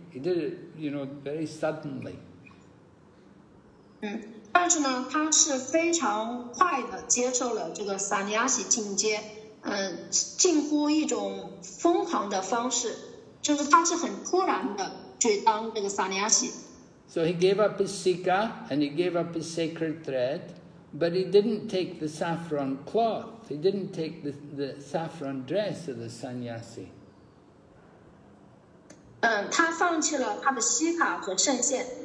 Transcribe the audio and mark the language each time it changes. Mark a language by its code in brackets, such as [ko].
[en] He did it, you know, very suddenly. [zh] 但是呢，他是非常快的接受了这个萨尼亚西进阶，近乎一种疯狂的方式，就是他是很突然的去当这个萨尼亚西。 [en] So he gave up his sika and he gave up his sacred thread, but he didn't take the saffron cloth. He didn't take the saffron dress of the sannyasi. [zh] 他放弃了他的西卡和圣线。